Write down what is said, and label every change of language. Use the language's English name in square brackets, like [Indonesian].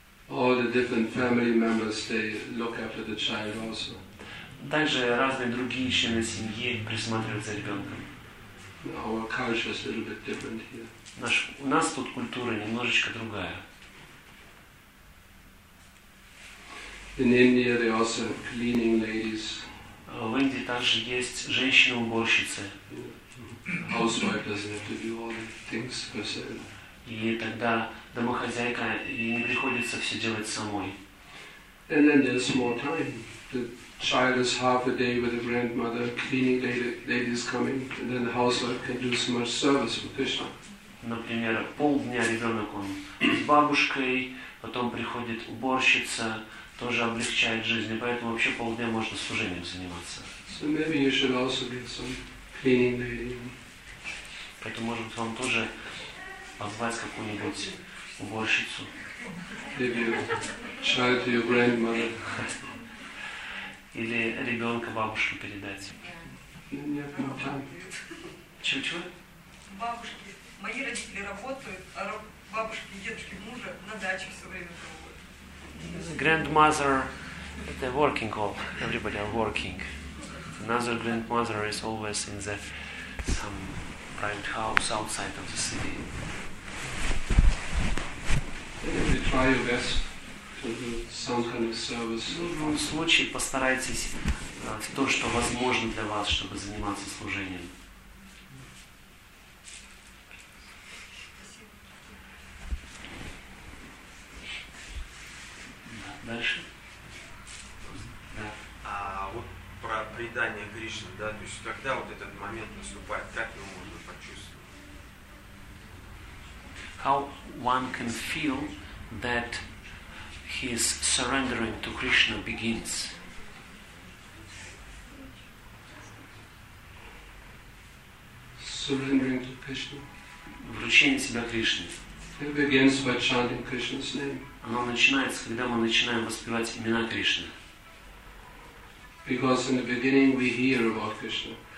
[English] All the different family members, they look after the child also. [Russian] Также разные другие члены семьи присматривают за ребенком. [English] Our culture is a little bit different here. [Russian] У нас тут культура немножечко другая. [English] In India, they also have cleaning ladies. [Russian] В Индии также есть женщины-уборщицы. [English] Housewife doesn't have to do all the things herself. [Russian] И тогда домохозяйка ей не приходится все делать самой. [English] And then there's more time. The child is half a day with the grandmother, cleaning ladies coming, and then the housewife can do so much service for Krishna. [Russian] Например, полдня ребенок он с бабушкой, потом приходит уборщица, тоже облегчает жизнь, и поэтому вообще полдня можно служением заниматься. [English] So maybe you should also get some cleaning lady. [Russian] Поэтому, может быть, вам тоже позвать какую-нибудь уборщицу. [English] Maybe a child to your grandmother. [Russian] Или ребенка бабушке передать. Нет, чего-чего? Бабушки, мои родители работают, а бабушки и дедушки мужа на даче все время проводят. [English] Grandmother, they're working all, everybody are working. Another grandmother is always in the some private house outside of the city. Maybe try your best. Some kind of service. [Russian] В любом случае постарайтесь то, что возможно для вас, чтобы заниматься служением. Да, дальше. Да. А вот про предание Кришне, да, то есть когда вот этот момент наступает, как его можно почувствовать? [English] How one can feel that his surrendering to Krishna begins. Surrendering to Krishna. [Russian] Вручение себя Кришне. [English] It begins by chanting Krishna's name. [Russian] Оно начинается, когда мы начинаем воспевать имена Кришны. [English] Because in the beginning we hear about Krishna.